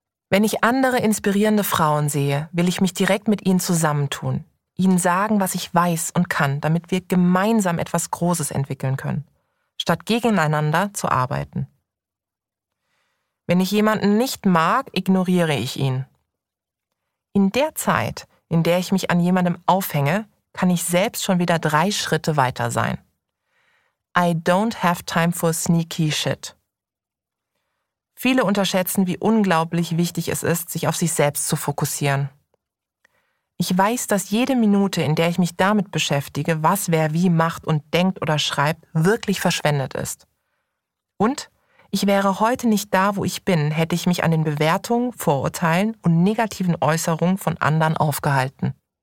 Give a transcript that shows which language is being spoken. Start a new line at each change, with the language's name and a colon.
German: Wenn ich andere inspirierende Frauen sehe, will ich mich direkt mit ihnen zusammentun, ihnen sagen, was ich weiß und kann, damit wir gemeinsam etwas Großes entwickeln können, statt gegeneinander zu arbeiten. Wenn ich jemanden nicht mag, ignoriere ich ihn. In der Zeit, in der ich mich an jemandem aufhänge, kann ich selbst schon wieder 3 Schritte weiter sein.
English: I don't have time for sneaky shit.
German: Viele unterschätzen, wie unglaublich wichtig es ist, sich auf sich selbst zu fokussieren. Ich weiß, dass jede Minute, in der ich mich damit beschäftige, was wer wie macht und denkt oder schreibt, wirklich verschwendet ist. Und ich wäre heute nicht da, wo ich bin, hätte ich mich an den Bewertungen, Vorurteilen und negativen Äußerungen von anderen aufgehalten.